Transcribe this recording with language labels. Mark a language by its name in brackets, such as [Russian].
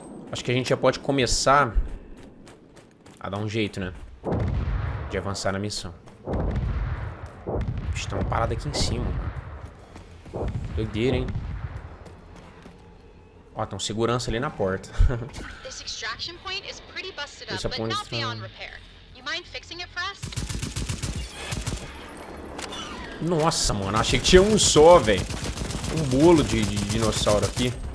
[Portuguese] Acho que a gente já pode começar a dar um jeito, né? De avançar na missão. Estão parados aqui em cima. Doideira, hein? Ó, tem um segurança ali na porta. [English] Esse extraction point is pretty busted up, but not beyond repair. You mind fixing it for us? [Portuguese] Nossa, mano. Achei que tinha um só, velho. Um bolo de dinossauro aqui.